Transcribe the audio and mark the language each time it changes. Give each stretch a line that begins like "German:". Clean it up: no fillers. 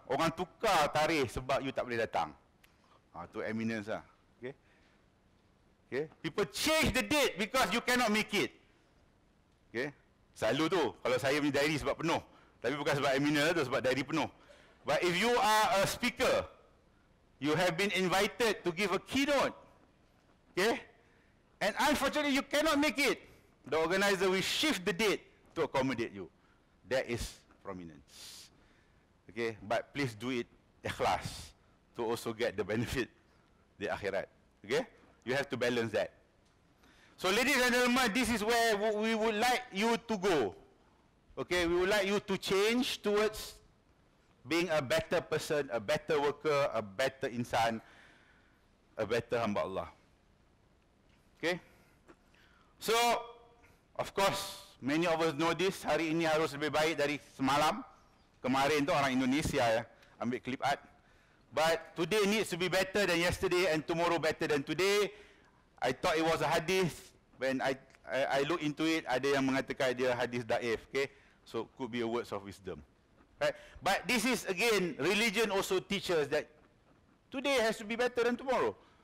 Malay: Orang tukar tarikh sebab you tak boleh datang. Itu eminence lah. Okay? Okay?
English: People change the date because you cannot make it. Okay?
Malay: Selalu tu, kalau saya punya diary sebab penuh. Tapi bukan sebab eminent lah tu, sebab diary penuh.
English: But if you are a speaker, you have been invited to give a keynote. Okay? And unfortunately, you cannot make it. The organizer will shift the date to accommodate you. That is prominence. Okay? But please do it ikhlas to also get the benefit
Malay: di akhirat.
English: Okay? You have to balance that. So ladies and gentlemen, this is where we would like you to go. Okay, we would like you to change towards being a better person, a better worker, a better insan, a better
Malay: hamba Allah.
English: Okay? So, of course, many of us know this,
Malay: hari ini harus lebih baik dari semalam. Kemarin tu orang Indonesia ya, ambil clip art.
English: But today needs to be better than yesterday and tomorrow better than today. I thought it was a hadith. When I look into it,
Malay: ada yang mengatakan dia hadith da'if. Okay?
English: So, could be a words of wisdom. Right? But this is, again, religion also teaches that today has to be better than tomorrow.